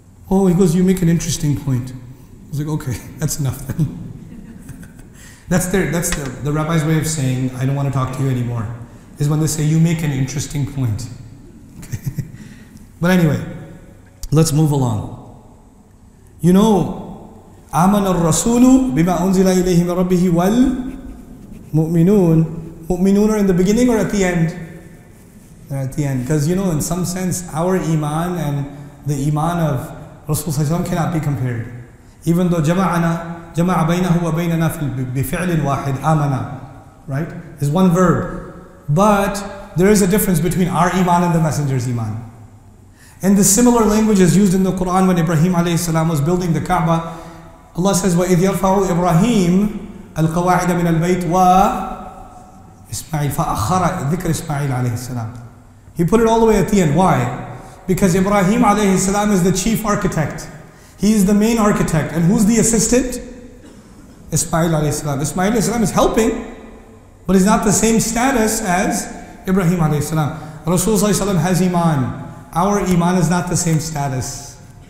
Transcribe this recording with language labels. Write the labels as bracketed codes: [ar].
[en] Oh, he goes, you make an interesting point. I was like, okay, that's enough then. that's the rabbi's way of saying, I don't want to talk to you anymore, is when they say, you make an interesting point. But anyway, let's move along. You know, [ar] آمَنَ الرَّسُولُ بِمَا أُنزِلَ إِلَيْهِ مِنْ رَبِّهِ وَالْمُؤْمِنُونَ. [en] مُؤْمِنُونَ are in the beginning or at the end? They're at the end. Because you know, in some sense, our iman and the iman of Rasul ﷺ cannot be compared. Even though [ar] جَمَعَنَا جَمَعَ بَيْنَهُ وَبَيْنَنَا بِفِعْلٍ وَاحِدٍ آمَنَا. [en] Right? It's one verb. But there is a difference between our iman and the Messenger's iman. And the similar language is used in the Quran when Ibrahim alayhi salam was building the Kaaba. Allah says, [ar] وَإِذْ يَرْفَعُ إِبْرَاهِيمُ الْقَوَاعِدَ مِنَ الْبَيْتِ وَإِسْمَعِيلُ فَأَخَّرَ ذِكْرَ إِسْمَعِيلَ عَلَيْهِ السَّلَامُ. [en] He put it all the way at the end. Why? Because Ibrahim alayhi salam is the chief architect. He is the main architect. And who's the assistant? Ismail alayhi salam. Ismail alayhi salam is helping, but he's not the same status as Ibrahim alayhi salam. Rasul alayhi salam has iman. Our iman is not the same status.